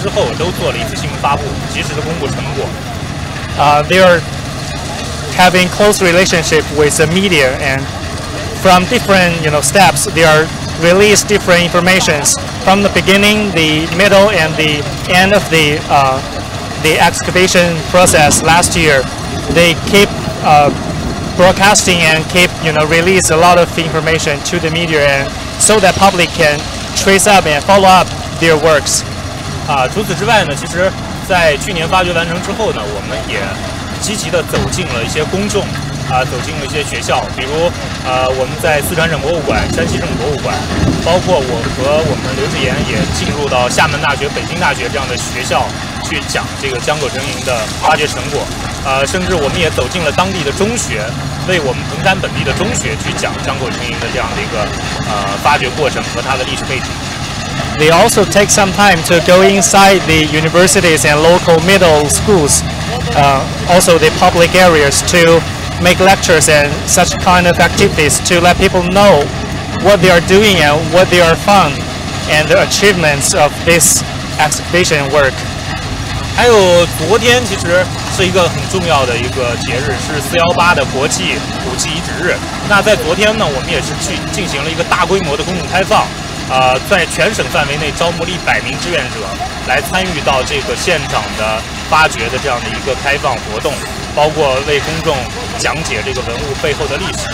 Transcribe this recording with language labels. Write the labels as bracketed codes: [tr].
[zh] 然后除此除了志愿者呢，其实我们也做了一系列的这个公共活动，比如说我们和在这个发掘过程当中，及时的通过媒体来公布我们的这样的一个发掘的进度和发掘的成果。在去年的发掘当中，我们在分别在遗址的开始、中期，包括完成之后，都做了一次性发布，及时的公布成果。 [en] They are having close relationship with the media, and from different, you know, steps, they are released different informations from the beginning, the middle, and the end of the excavation process last year. they keep broadcasting and keep, you know, release a lot of information to the media, and so that public can trace up and follow up their works. [zh] 除此之外呢，其实在去年发掘完成之后呢，我们也积极地走进了一些公众，走进了一些学校，比如我们在四川省博物馆、山西省博物馆，包括我和我们刘志岩也进入到厦门大学、北京大学这样的学校去讲这个浆果成蝇的发掘成果，甚至我们也走进了当地的中学，为我们彭山本地的中学去讲浆果成蝇的这样的一个发掘过程和它的历史背景。 [en] They also take some time to go inside the universities and local middle schools, also the public areas, to make lectures and such kind of activities to let people know what they are doing and what they are found and the achievements of this exhibition work. [zh] 还有昨天其实是一个很重要的一个节日，是418的国际古迹遗址日。那在昨天呢，我们也是去进行了一个大规模的公众开放。在全省范围内招募了100名志愿者来参与到这个现场的发掘的这样的一个开放活动，包括为公众讲解这个文物背后的历史。